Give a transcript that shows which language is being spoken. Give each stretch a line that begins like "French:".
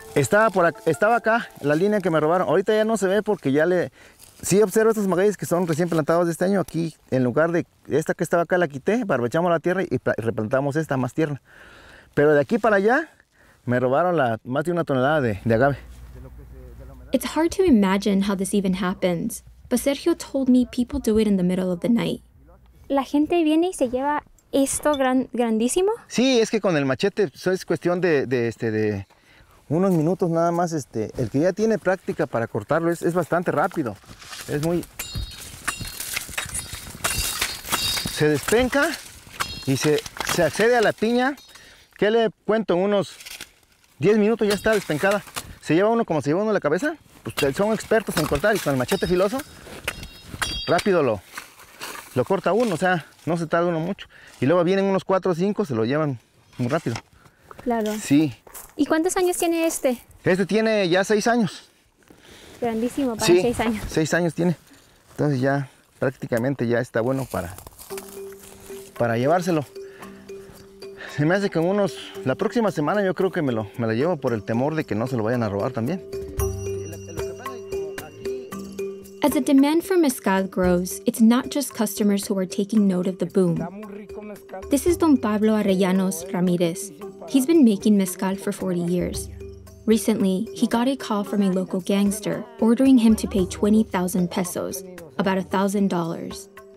Spanish: Estaba acá la línea que me robaron. Ahorita ya no se ve porque ya le... Sí, observo estos magueyes que son recién plantados de este año. Aquí, en lugar de esta que estaba acá, la quité, barbechamos la tierra y replantamos esta más tierna. Pero de aquí para allá, me robaron más de una tonelada de agave.
English: It's hard to imagine how this even happens. But Sergio told me people do it in the middle of the night.
Spanish: La gente viene y se lleva esto grandísimo. Sí, es que con el machete eso es cuestión de unos minutos nada más. El que ya tiene práctica para cortarlo es bastante rápido. Es muy... Se despenca y se accede a la piña. ¿Qué le cuento? En unos 10 minutos ya está despencada. Se lleva uno como se lleva uno la cabeza. Ustedes son expertos en cortar y con el machete filoso, rápido lo corta uno, o sea, no se tarda uno mucho. Y luego vienen unos 4 o 5, se lo llevan muy rápido. Claro. Sí. ¿Y cuántos años tiene este? Este tiene ya 6 años. Grandísimo para sí, 6 años. 6 años tiene. Entonces ya prácticamente ya está bueno para llevárselo. Se me hace que en unos, la próxima semana yo creo que me lo llevo por el temor de que no se lo vayan a robar también.
English: As the demand for mezcal grows, it's not just customers who are taking note of the boom. This is Don Pablo Arellanos Ramirez. He's been making mezcal for 40 years. Recently, he got a call from a local gangster ordering him to pay 20,000 pesos, about $1,000.